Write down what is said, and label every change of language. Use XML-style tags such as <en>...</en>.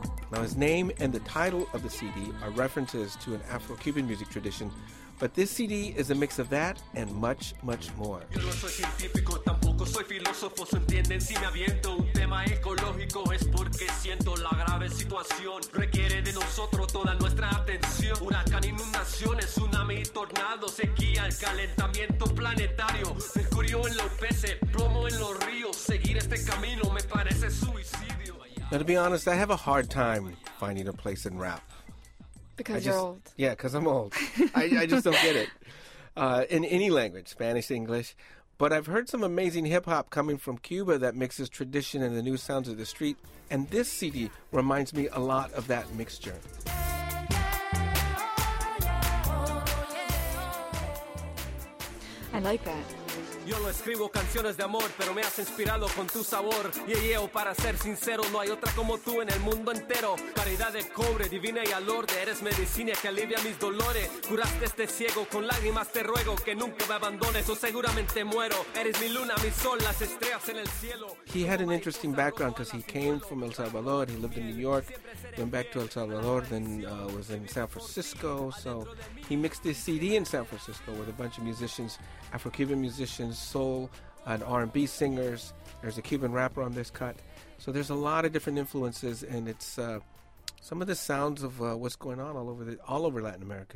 <en>Now, his name and the title of the CD are references to an Afro-Cuban music tradition, but this CD is a mix of that and much, much more.</en> <es>Soy filósofo, se entienden si me aviento. Un tema ecológico es porque siento la grave situación. Requiere de nosotros toda nuestra atención. Huracán, inundaciones, tsunami, tornado, sequía, el calentamiento planetario. Mercurio en los peces, plomo en los ríos. Seguir este camino me parece suicidio.</es> <en>Now, to be honest, I have a hard time finding a place in rap. Because you're old. Yeah, because I'm old. I just don't get it. In any language, Spanish, English. But I've heard some amazing hip-hop coming from Cuba that mixes tradition and the new sounds of the street, and this CD reminds me a lot of that mixture. I like that.</en> <es>Yo no escribo canciones de amor, pero me has inspirado con tu sabor. Yeyeo, para ser sincero, no hay otra como tú en el mundo entero. Caridad de cobre, divina y alorde, eres medicina que alivia mis dolores. Curaste este ciego, con lágrimas te ruego que nunca me abandones o seguramente muero. Eres mi luna, mi sol, las estrellas en el cielo.</es> <en>He had an interesting background because he came from El Salvador. He lived in New York, went back to El Salvador, then was in San Francisco. So he mixed his CD in San Francisco with a bunch of musicians, Afro-Cuban musicians, soul and R&B singers. There's a Cuban rapper on this cut. So there's a lot of different influences, and it's some of the sounds of what's going on all over Latin America.</en>